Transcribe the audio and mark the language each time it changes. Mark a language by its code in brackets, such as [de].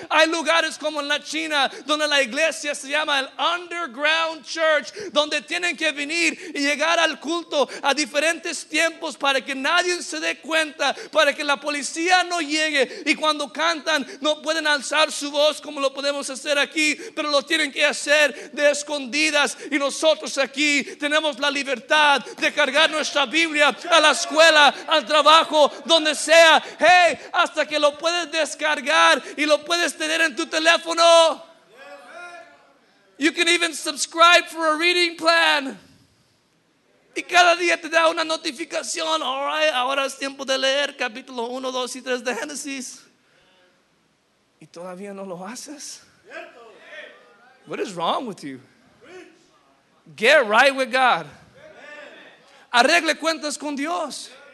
[es] Hay lugares como en la China donde la iglesia se llama el underground church, donde tienen que venir y llegar al culto a diferentes tiempos para que nadie se dé cuenta, para que la policía no llegue, y cuando cantan no pueden alzar su voz como lo podemos hacer aquí, pero lo tienen que hacer de escondidas. Y nosotros aquí tenemos la libertad de cargar nuestra Biblia a la escuela, al trabajo, donde sea, hey, hasta que lo puedes descargar y lo puedes tener en tu teléfono. [en] You can even subscribe for a reading plan. [es] Y cada día te da una notificación: all right, ahora es tiempo de leer capítulo 1, 2 y 3 de Génesis. Y todavía no lo haces. [en] What is wrong with you? Get right with God. [es] Arregle cuentas con Dios.